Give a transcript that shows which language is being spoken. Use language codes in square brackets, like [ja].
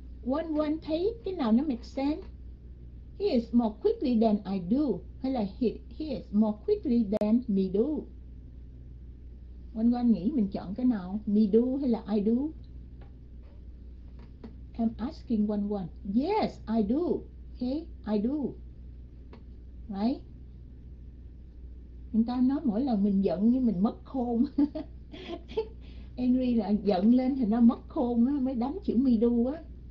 [vi] One one thấy cái nào nó [en] make sense? He is more quickly than I do, [vi] hay là [en] he is more quickly than me do? [vi] One one nghĩ mình chọn cái nào? [en] Me do [vi] hay là [en] I do? I'm asking one one. Yes, I do. Okay, I do. Right? [vi] Người ta nói mỗi lần mình giận như mình mất khôn. Angry là giận lên thì nó mất khôn á, mới đánh chữ [en] me do [vi] á.